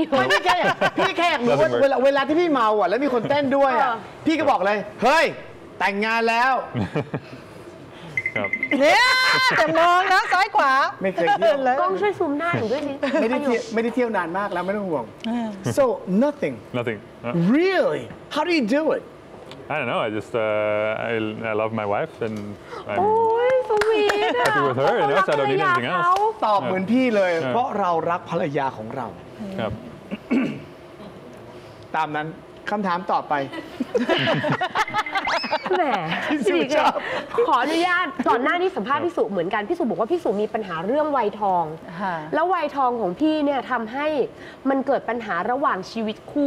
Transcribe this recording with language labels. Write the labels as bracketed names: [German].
[Thai] พี่แค่รู้ว่าเวลาที่พี่เมาอ่ะแล้วมีคนเต้นด้วยอ่ะพี่ก็บอกเลยเฮ้ยแต่งงานแล้ว เนี่ยจะมองนะซ้ายขวา ไม่เคยเที่ยวเลย กล้องช่วยซูมหน้าอยู่ด้วยนี่ไม่ได้เที่ยวนานมากแล้วไม่ต้องห่วง [English] so nothing really how do you do it I don't know I just I love my wife and [Thai] โอ้ยสวีท [English] อ่ะ with her and also I don't need anything else [Thai] ตอบเหมือนพี่เลยเพราะเรารักภรรยาของเรา ครับ ตามนั้น คำถามต่อไป แหม พี่สุ ขออนุญาตตอนหน้าที่สัมภาษณ์พี่สุเหมือนกันพี่สุบอกว่าพี่สุมีปัญหาเรื่องวัยทองแล้ววัยทองของพี่เนี่ยทำให้มันเกิดปัญหาระหว่างชีวิตคู